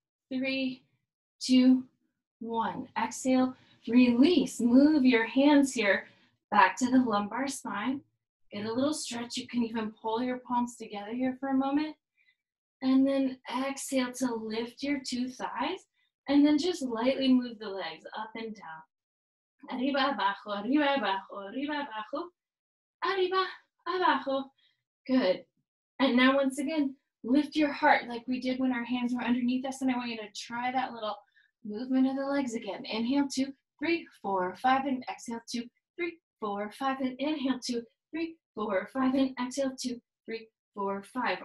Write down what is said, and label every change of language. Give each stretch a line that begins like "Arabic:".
English: 7, 6, 5, 4, 3, 2, 1. Exhale, release. Move your hands here back to the lumbar spine. Get a little stretch. You can even pull your palms together here for a moment. And then exhale to lift your two thighs. And then just lightly move the legs up and down.
Spanish: Arriba, abajo, arriba, abajo, arriba, abajo. Arriba, abajo. Good.
English: And now once again, lift your heart like we did when our hands were underneath us. And I want you to try that little movement of the legs again. Inhale, 2, 3, 4, 5. And exhale, 2, 3, 4, 5. And inhale, 2, 3, 4, 5. And exhale, 2, 3, 4, 5.